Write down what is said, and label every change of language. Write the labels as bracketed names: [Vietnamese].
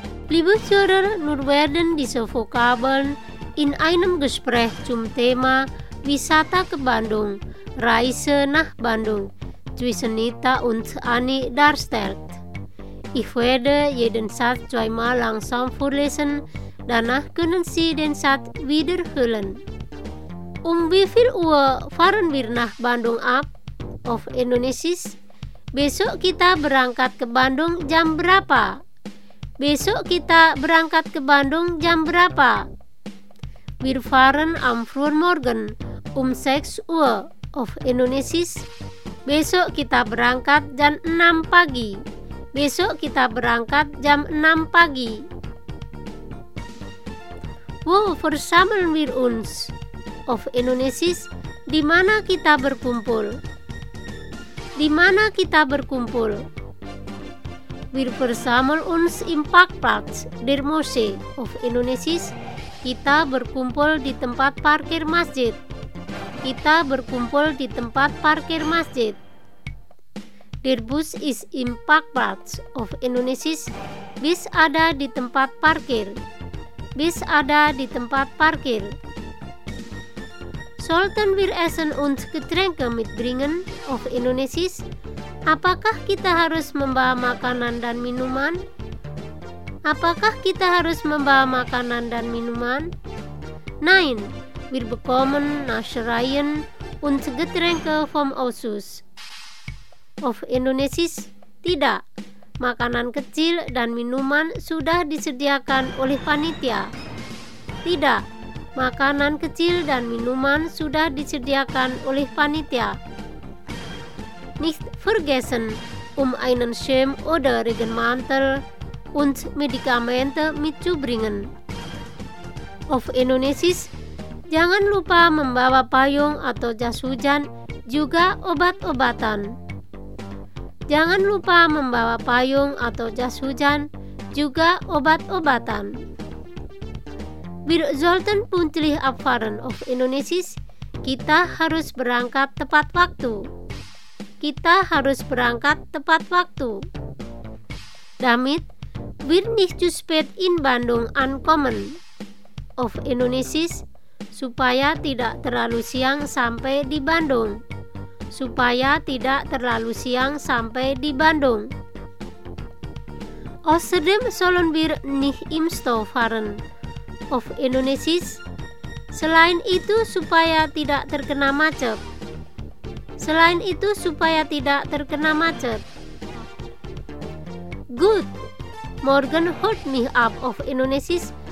[German] Liebe Zuhörer, nur werden diese Vokabeln in einem Gespräch zum Thema [Indonesian] Wisata ke Bandung, [German] Reise nach Bandung, zwischen Nita und Ani darstellt. Ich werde jeden Satz zweimal langsam vorlesen, danach können Sie den Satz wiederholen. Wie viel Uhr fahren wir nach Bandung ab? Auf Indonesisch? [Indonesian] Besok kita berangkat ke Bandung jam berapa? Besok kita berangkat ke Bandung jam berapa? [German] Wir fahren am frühen Morgen 6 Uhr auf Indonesisch. [Indonesian] Besok kita berangkat jam 6 pagi. Besok kita berangkat jam 6 pagi. [German] Wo versammeln wir uns? Auf Indonesisch, [Indonesian] di mana kita berkumpul? Di mana kita berkumpul? [German] Wir versammeln uns im Parkplatz der Moschee of Indonesisch. [Indonesian] Kita berkumpul di tempat parkir masjid. Kita berkumpul di tempat parkir masjid. [German] Der Bus ist im Parkplatz of Indonesisch. [Indonesian] Bis ada di tempat parkir. Bis ada di tempat parkir. [German] Sollten wir Essen und Getränke mitbringen of Indonesisch? [Indonesian] Apakah kita harus membawa makanan dan minuman? Apakah kita harus membawa makanan dan minuman? [German] Nein, Wir bekommen Naschereien und Getränke vom Ausschuss. Auf Indonesisch? [Indonesian] Tidak. Makanan kecil dan minuman sudah disediakan oleh panitia. Tidak. Makanan kecil dan minuman sudah disediakan oleh panitia. [German] Nicht vergessen, einen Schirm oder Regenmantel und Medikamente mitzubringen. Auf Indonesisch, [Indonesian] jangan lupa membawa payung atau jas hujan, juga obat-obatan. Jangan lupa membawa payung atau jas hujan, juga obat-obatan. [German] Wir sollten pünktlich abfahren auf Indonesisch. [Indonesian] Kita harus berangkat tepat waktu. Kita harus berangkat tepat waktu. [German] Damit wir nicht zu spät in Bandung ankommen. Auf Indonesisch, [Indonesian] supaya tidak terlalu siang sampai di Bandung. Supaya tidak terlalu siang sampai di Bandung. [German] Außerdem sollen wir nicht im Stau fahren. Auf Indonesisch, [Indonesian] selain itu supaya tidak terkena macet. Selain itu supaya tidak terkena macet. [German] Gut. Morgen holt mich ab auf Indonesisch.